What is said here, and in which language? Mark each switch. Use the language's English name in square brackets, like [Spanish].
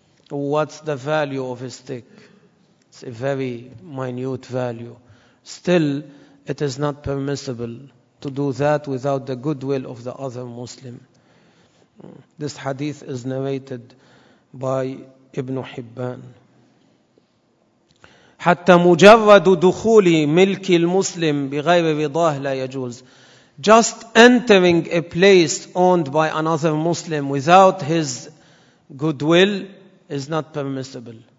[English] What's the value of a stick? It's a very minute value. Still, it is not permissible to do that without the goodwill of the other Muslim. This hadith is narrated by Ibn Hibban. [Arabic] حتى مجرد دخول ملك المسلم بغير رضاه لا يجوز. [English] Just entering a place owned by another Muslim without his goodwill is not permissible.